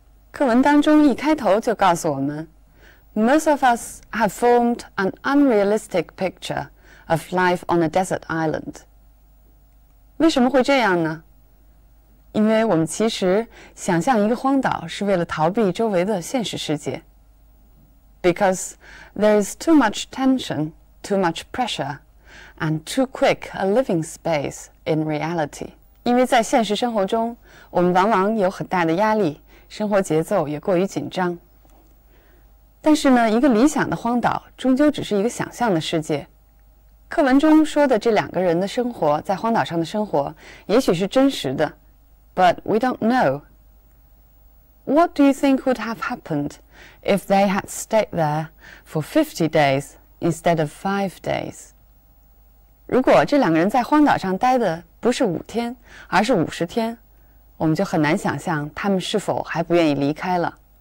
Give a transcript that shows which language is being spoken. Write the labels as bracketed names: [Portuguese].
[Chinese] 课文当中一开头就告诉我们 [English] Most of us have formed an unrealistic picture of life on a desert island. [Chinese] 为什么会这样呢？因为我们其实想象一个荒岛是为了逃避周围的现实世界。 [English] Because there is too much tension, too much pressure, and too quick a living space in reality. [Chinese] 因为在现实生活中，我们往往有很大的压力，生活节奏也过于紧张。但是呢，一个理想的荒岛终究只是一个想象的世界。课文中说的这两个人的生活，在荒岛上的生活，也许是真实的， [English] But we don't know. What do you think would have happened if they had stayed there for 50 days instead of 5 days? [Chinese] 如果这两个人在荒岛上待的不是5天，而是50天，我们就很难想象他们是否还不愿意离开了。